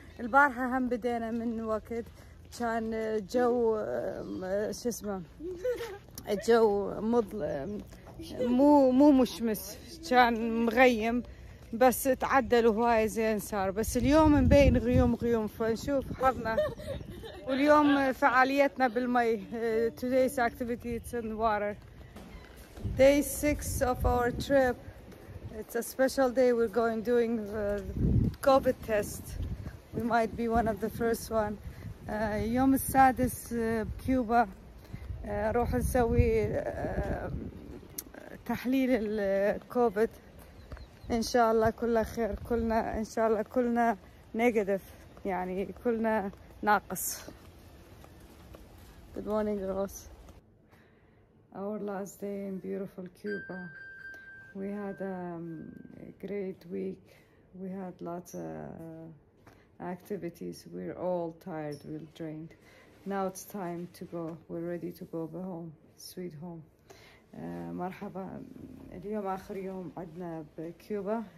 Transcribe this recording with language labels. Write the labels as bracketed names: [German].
[Arabic] البارحة هم بدينا من وقت كان جو شو اسمه الجو مظلم مو مشمس كان مغيم بس تعدل وهواي زين صار بس اليوم مبين غيوم فنشوف حظنا واليوم فعاليتنا بالمي. [English] Today's activity is in water. Day 6 of our trip. It's a special day. We're going doing the COVID test. We might be one of the first one. [Arabic] يوم السادس بكيوبا روح نسوي تحليل الكوفيد. إن شاء الله كله خير. كلنا إن شاء الله كلنا نيجاتيف يعني كلنا ناقص. [English] Good morning, Ross. Our last day in beautiful Cuba. We had a great week. We had lots of activities. We're all tired. We're drained. Now it's time to go. We're ready to go back home, sweet home. [Arabic] مرحبا. اليوم آخر يوم عدنا بكيوبا.